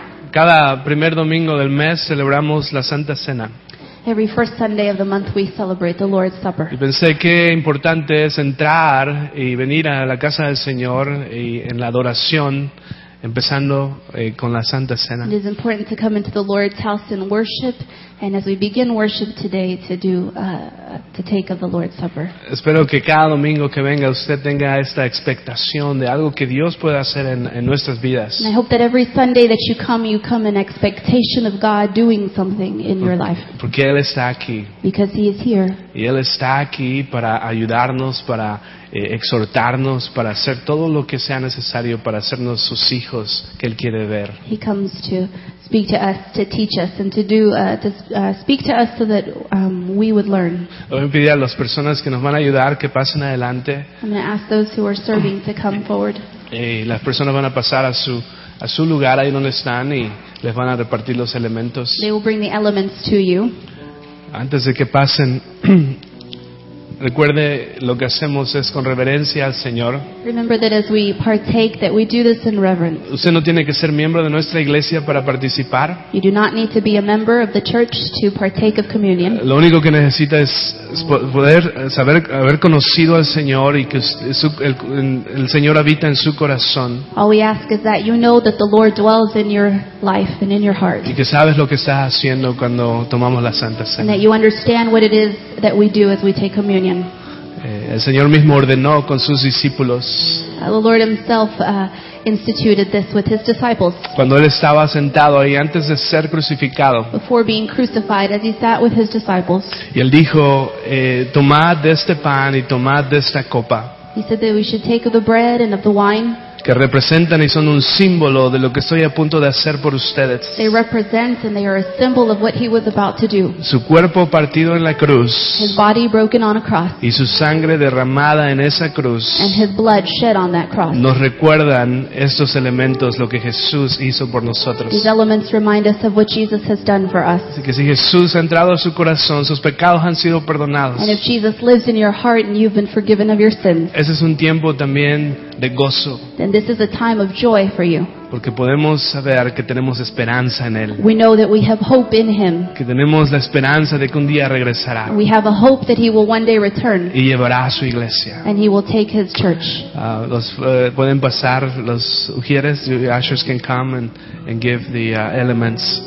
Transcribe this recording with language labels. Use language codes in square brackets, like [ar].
[es] Cada primer domingo del mes celebramos la Santa Cena. [en] Every first Sunday of the month we celebrate the Lord's Supper. [es] Y pensé qué importante es entrar y venir a la casa del Señor y en la adoración, empezando con la Santa Cena. [en] It is important to come into the Lord's house in worship, and as we begin worship today, to do to take of the Lord's Supper. [es] Espero que cada domingo que venga usted tenga esta expectación de algo que Dios pueda hacer en nuestras vidas. [en] And I hope that every Sunday that you come in expectation of God doing something in your life. [es] Porque Él está aquí. [en] Because He is here. [es] Y Él está aquí para ayudarnos, para exhortarnos, para hacer todo lo que sea necesario para hacernos sus hijos que Él quiere ver. [en] He comes to speak to us, to teach us, and to do to speak to us so that we would learn. [es] Voy a pedir a las personas que nos van a ayudar que pasen adelante. [en] I'm going to ask those who are serving to come forward. [es] Las personas van a pasar a su lugar ahí donde están y les van a repartir los elementos. [en] They will bring the elements to you. [es] Antes de que pasen, recuerde, lo que hacemos es con reverencia al Señor. [en] Remember that as we partake, that we do this in reverence. [es] Usted no tiene que ser miembro de nuestra iglesia para participar. [en] You do not need to be a member of the church to partake of communion. [es] Lo único que necesita es poder saber, haber conocido al Señor y que el Señor habita en su corazón. [en] All we ask is that you know that the Lord dwells in your life and in your heart. [es] Y que sabes lo que estás haciendo cuando tomamos la Santa Cena. [en] And that you understand what it is that we do as we take communion. [es] El Señor mismo ordenó con sus discípulos. [en] The Lord himself instituted this with his disciples. [es] Cuando él estaba sentado ahí antes de ser crucificado. [en] Before being crucified, as he sat with his disciples. [es] Y él dijo, tomad de este pan y tomad de esta copa. [en] He said that we should take of the bread and of the wine. [es] que representan y son un símbolo de lo que estoy a punto de hacer por ustedes. [en] They represent and they are a symbol of what he was about to do. [es] Su cuerpo partido en la cruz. [en] His body broken on a cross. [es] Y su sangre derramada en esa cruz. [en] And his blood shed on that cross. [es] Nos recuerdan estos elementos lo que Jesús hizo por nosotros. [en] These elements remind us of what Jesus has done for us. [es] Así que si Jesús ha entrado a su corazón, sus pecados han sido perdonados. [en] And if Jesus lives in your heart and you've been forgiven of your sins. [es] Ese es un tiempo también de gozo. [en] Then this is a time of joy for you. [es] Porque podemos saber que tenemos esperanza en Él. [en] We know that we have hope in Him. [es] Que tenemos la esperanza de que un día regresará. [en] We have a hope that He will one day return. [es] Y llevará a su iglesia. [en] And He will take His church. [es] Pueden pasar los ujieres. [en] The ushers can come and give the elements.